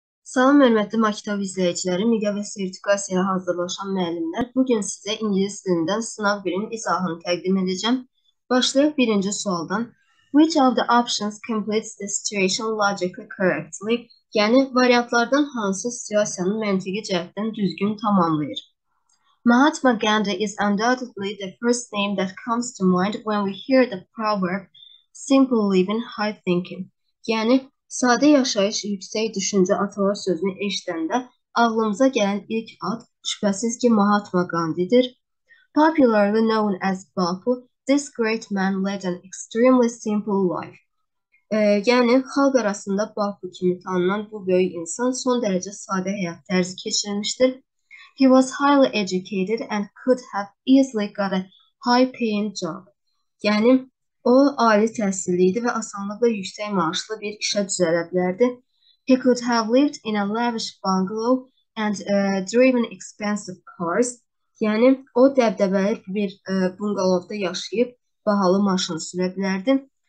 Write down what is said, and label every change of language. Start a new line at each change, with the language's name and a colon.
Azerbaijani: Salam, hörmətli maktab izləyiciləri, müqəvvət sertifikasiyaya hazırlaşan müəllimlər. Bugün sizə ingilis dilindən sınav birinin izahını təqdim edəcəm. Başlayaq birinci sualdan.
English: Which of the options completes the situation logically correctly?
Azerbaijani: Yəni, variantlardan hansı situasiyanın məntiqi cəhətdən düzgün tamamlayır?
English: Mahatma Gandhi is undoubtedly the first name that comes to mind when we hear the proverb simple living, high thinking.
Azerbaijani: Yəni, sadə yaşayış, yüksək düşüncə atalar sözünü eşidəndə ağlımıza gələn ilk ad şübhəsiz ki Mahatma Gandhidir.
English: Popularly known as Bapu, this great man led an extremely simple life.
Azerbaijani: Yəni xalq arasında Bapu kimi tanınan bu böyük insan son dərəcə sadə həyat tərzi keçirmişdir.
English: He was highly educated and could have easily got a high paying job.
Azerbaijani: Yəni o, ali təhsilliydi və asanlıqla yüksək maaşlı bir işə düzələ bilərdi.
English: He could have lived in a lavish bungalow and driven expensive cars.
Azerbaijani: Yəni, o, dəbdəbəli bir bungalovda yaşayıb, bahalı maşın sürə bilərdi.